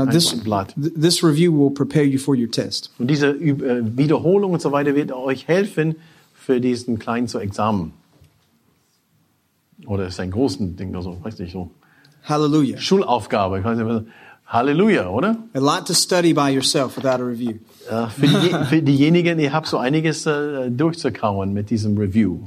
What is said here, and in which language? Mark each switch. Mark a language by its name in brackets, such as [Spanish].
[English] This review will prepare you for your test. [German] Und diese Wiederholung und so weiter wird euch helfen für diesen kleinen so Examen. Oder ist ein großes Ding oder so, weiß nicht so. Hallelujah. Schulaufgabe. Hallelujah, oder? [English] A lot to study by yourself without a review. [German] Für diejenigen, ihr habt so einiges durchzukauen mit diesem Review.